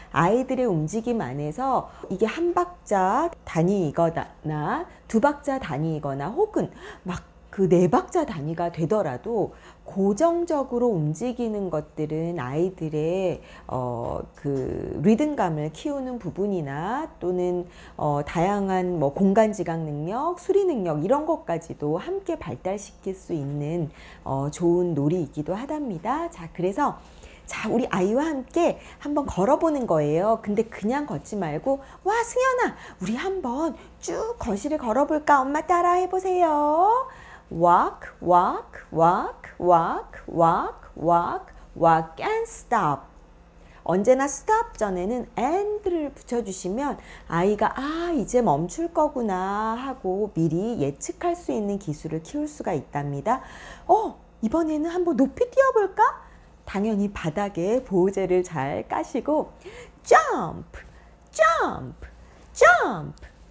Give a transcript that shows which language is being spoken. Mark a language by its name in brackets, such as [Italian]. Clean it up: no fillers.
[Korean] 아이들의 움직임 안에서 이게 한 박자 단위이거나 두 박자 단위이거나 혹은 막 그 네 박자 단위가 되더라도 고정적으로 움직이는 것들은 아이들의 그 리듬감을 키우는 부분이나 또는 다양한 뭐 공간 지각 능력, 수리 능력 이런 것까지도 함께 발달시킬 수 있는 좋은 놀이이기도 하답니다. 자, 그래서 자, 우리 아이와 함께 한번 걸어보는 거예요. 근데 그냥 걷지 말고, 와, 승현아, 우리 한번 쭉 거실을 걸어볼까? 엄마 따라 해보세요. [English] Walk, walk, walk, walk, walk, walk, walk and stop. [Korean] 언제나 stop 전에는 and를 붙여주시면 아이가 아 이제 멈출 거구나 하고 미리 예측할 수 있는 기술을 키울 수가 있답니다. 이번에는 한번 높이 뛰어볼까? 당연히 바닥에 보호재를 잘 까시고 [English] jump, jump, jump.